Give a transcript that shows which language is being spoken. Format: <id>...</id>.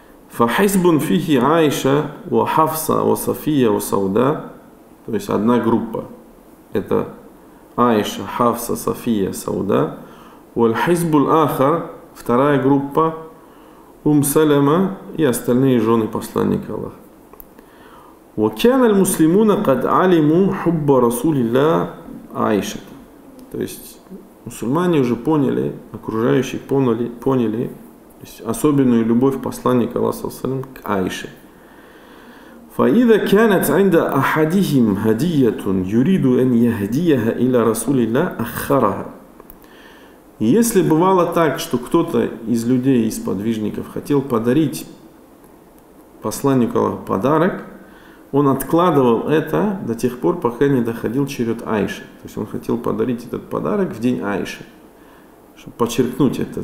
<ru>Фахисбун фихи Айша ва Хафса ва Сафия ва Сауда, то есть одна группа, это Айша, Хафса, Сафия, Сауда. Валхисбул ахар, вторая группа, Салама и остальные жены посланника Аллаха.</ru> <ar>وكان المسلمون قد علموا حب رسول الله عائشة.</ar> <ru>То есть мусульмане уже поняли, окружающие поняли то есть, особенную любовь посланника Аллаха салям к Аише.</ru> <ar>فإذا كانت عند أحدهم هدية يريد أن يهديها إلى رسول الله أخرها.</ar> <ru>Если бывало так, что кто-то из людей, из подвижников хотел подарить посланнику Аллаха подарок, он откладывал это до тех пор, пока не доходил черед Айши. То есть он хотел подарить этот подарок в день Айши, чтобы подчеркнуть это.</ru>